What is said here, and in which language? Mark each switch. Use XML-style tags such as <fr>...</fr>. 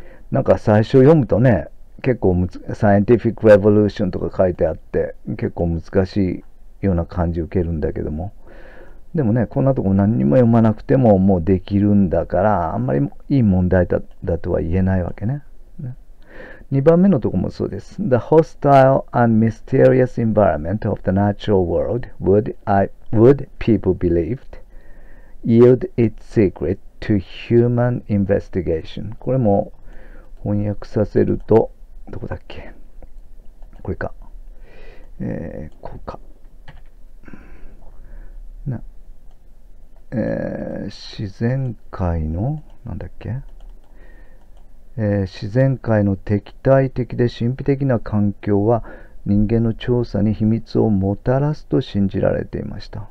<ja>なんか最初読むとね結構サイエンティフィックレボリューションとか書いてあって結構難しいような感じを受けるんだけども、でもねこんなとこ何にも読まなくてももうできるんだからあんまりいい問題 だとは言えないわけね。 2番目のとこもそうです。</ja> <en>The hostile and mysterious environment of the natural world would people believed yield its secret to human investigation。</en> <ja>これも翻訳させるとどこだっけ、これか、こうかな、自然界のなんだっけ、自然界の敵対的で神秘的な環境は人間の調査に秘密をもたらすと信じられていました。</ja>